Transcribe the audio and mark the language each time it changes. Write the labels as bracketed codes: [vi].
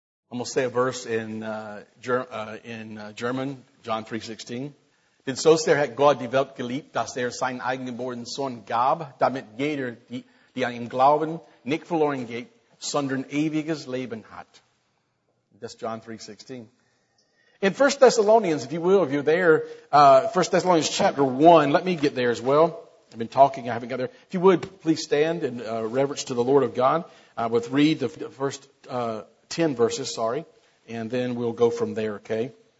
[en] I'm going to say a verse in German, John 3:16. [de] Denn so sehr hat Gott die Welt geliebt, dass er seinen eigenen Sohn gab, damit jeder, die an ihm glauben, nicht verloren geht, sondern ewiges Leben hat. [en] That's John 3:16. In 1 Thessalonians, if you will, if you're there, 1 Thessalonians chapter 1, let me get there as well. I've been talking, I haven't got there. If you would, please stand in reverence to the Lord of God. I would read the first 10 verses, sorry, and then we'll go from there, okay?